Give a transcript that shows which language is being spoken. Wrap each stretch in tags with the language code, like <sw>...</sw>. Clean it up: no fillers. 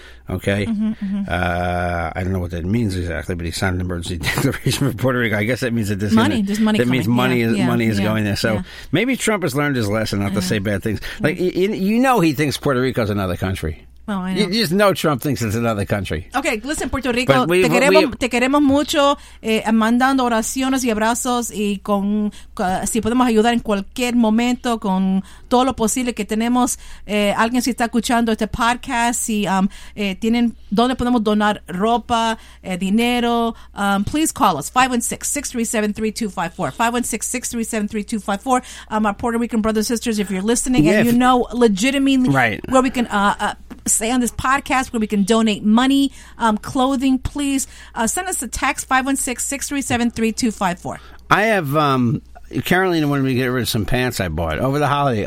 <en>Okay, I don't know what that means exactly, but he signed an emergency declaration for Puerto Rico. I guess that means that this money, there's money, that coming. Means money, yeah, is, yeah, money is yeah, going there. So maybe Trump has learned his lesson not to say bad things. Like he thinks Puerto Rico is another country. Well, I know. You just know Trump thinks it's another country. Okay, listen,</en> <es>Puerto Rico, te queremos mucho, mandando oraciones y abrazos y con si podemos ayudar en cualquier momento con todo lo posible que tenemos. Alguien si está escuchando este podcast, si tienen dónde podemos donar ropa, dinero,</es> <en>please call us 516-637-3254. 516-637-3254. Our Puerto Rican brothers and sisters, if you're listening and you know legitimately where we can say on this podcast where we can donate money, clothing, please send us a text, 516-637-3254. I have, Carolina wanted me to get rid of some pants I bought over the holiday.</en>